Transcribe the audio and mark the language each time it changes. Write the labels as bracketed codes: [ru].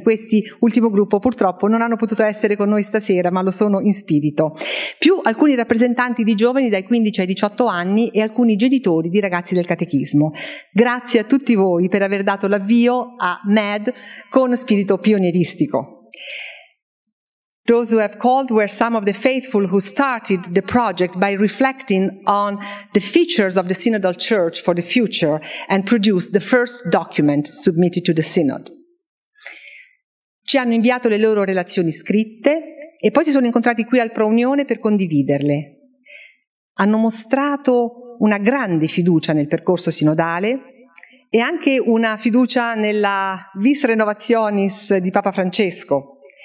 [it] Questi ultimo gruppo purtroppo non hanno potuto essere con noi stasera, ma lo sono in spirito. Più alcuni rappresentanti di giovani dai 15 ai 18 anni e alcuni genitori di ragazzi del catechismo. Grazie a tutti voi per aver dato l'avvio a MED con spirito pionieristico. [en] Those who have called were some of the faithful who started the project by reflecting on the features of the Synodal Church for the future and produced the first document submitted to the Synod. [it] Ci hanno inviato le loro relazioni scritte e poi si sono incontrati qui al Prounione per condividerle. Hanno mostrato una grande fiducia nel percorso sinodale e anche una fiducia nella Vis Renovationis di Papa Francesco.